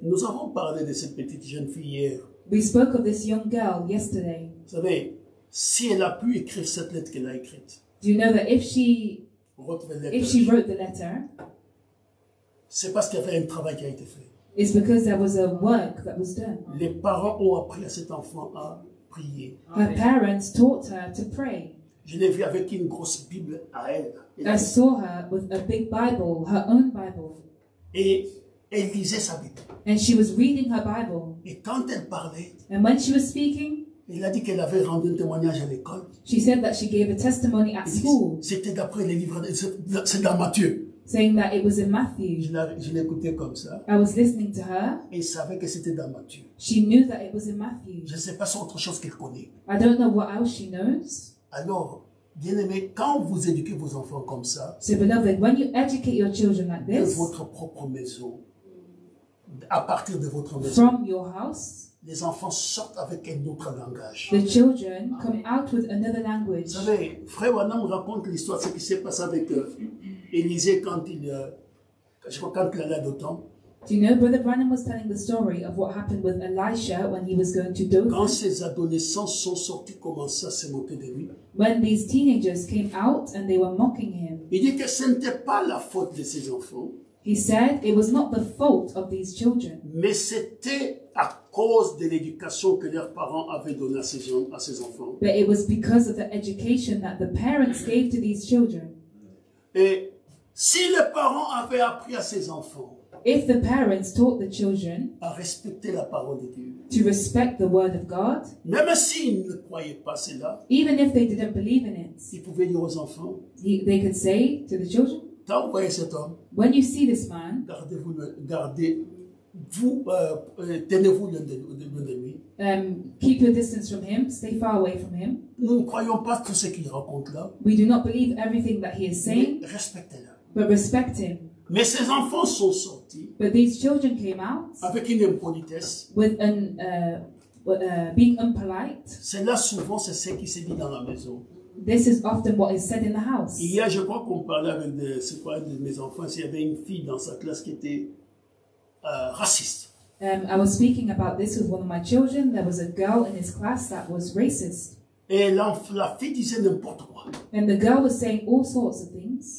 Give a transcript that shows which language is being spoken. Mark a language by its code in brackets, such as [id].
[fr] Nous avons parlé de cette petite jeune fille hier. [en] We spoke of this young girl yesterday. [fr] Vous savez, si elle a pu écrire cette lettre qu'elle a écrite. [en] Do you know that if she wrote the letter? If she wrote the letter, [fr] c'est parce qu'il y avait un travail qui a été fait. [en] It's because there was a work that was done. [fr] Les parents ont appris à cet enfant à prier. [en] Her parents taught her to pray. [fr] Je l'ai vu avec une grosse Bible à elle. [en] I saw her with a big Bible, her own Bible. [fr] Et elle lisait sa Bible. [en] And she was reading her Bible. [fr] Et quand elle parlait, [en] and when she was speaking, [fr] elle a dit qu'elle avait rendu un témoignage à l'école. [en] She said that she gave a testimony at school. [fr] C'était d'après les livres, c'est dans Matthieu. [en] Saying that it was in Matthew. [fr] Je l'écoutais comme ça. [en] I was listening to her. [fr] Et savait que c'était dans Matthieu. [en] She knew that it was in Matthew. [fr] Je ne sais pas si autre chose qu'elle connaît. [en] I don't know what else she knows. [fr] Alors, bien aimé, quand vous éduquez vos enfants comme ça, [en] so beloved, when you educate your children like this, [fr] de votre propre maison, à partir de votre maison, [en] from your house, [fr] les enfants sortent avec un autre langage. [en] The children come out with another language. [fr] Vous savez, Frère Wanam raconte l'histoire, ce qui s'est passé avec Élisée quand il allait à Dothan. [en] Do you know, Brother Branham was telling the story of what happened with Elisha when he was going to Dothan. [fr] Quand ces adolescents sont sortis, commençaient à se moquer de lui. [en] When these teenagers came out and they were mocking him. [fr] Il dit que ce n'était pas la faute de ces enfants. [en] He said it was not the fault of these children. [fr] Mais c'était à cause de l'éducation que leurs parents avaient donnée à ces enfants. [en] But it was because of the education that the parents gave to these children. [fr] Et si les parents avaient appris à ces enfants, [en] if the parents taught the children [fr] à respecter la parole de Dieu, [en] to respect the word of God, [fr] même s'ils ne croyaient pas cela, [en] even if they didn't believe in it, [fr] ils pouvaient dire aux enfants, [en] they could say to the children, [fr] quand vous voyez cet homme, [en] when you see this man, [fr] tenez-vous l'un de lui. [en] Keep your distance from him. Stay far away from him. [fr] Nous ne croyons pas tout ce qu'il raconte là. [en] We do not believe everything that he is saying. [fr] Mais respectez-le. [en] But respect him. [fr] Mais ces enfants sont sortis. [en] But these children came out. [fr] Avec une impolitesse. [en] With an being impolite. [fr] C'est là souvent c'est ce qui se dit dans la maison. [en] This is often what is said in the house. [fr] Hier, je crois qu'on parlait avec des mes enfants. Il y avait une fille dans sa classe qui était raciste. [en] I was speaking about this with one of my children. There was a girl in his class that was racist. [fr] Et la fille disait n'importe quoi. [en] And the girl was saying all sorts of things.